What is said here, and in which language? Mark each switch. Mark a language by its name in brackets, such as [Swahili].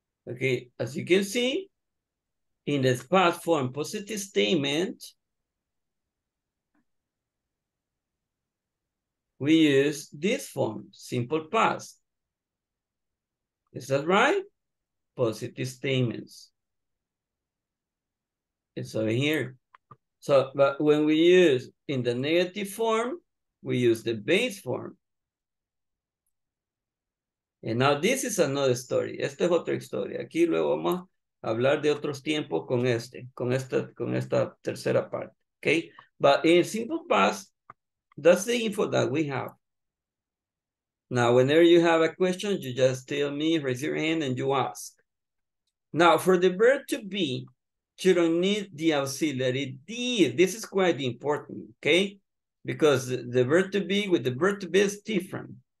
[English] Okay, as you can see, in this past form positive statement, we use this form, simple past. Is that right? Positive statements. It's over here. So, but when we use in the negative form, we use the base form. And now this is another story. [Spanish] Esta es otra historia. Aquí luego vamos a hablar de otros tiempos con este, con esta tercera parte. [English] Okay? But in simple past, that's the info that we have. Now, whenever you have a question, you just tell me, raise your hand, and you ask. Now, for the verb to be, you don't need the auxiliary did. This is quite important, okay? Because the verb to be with the verb to be is different.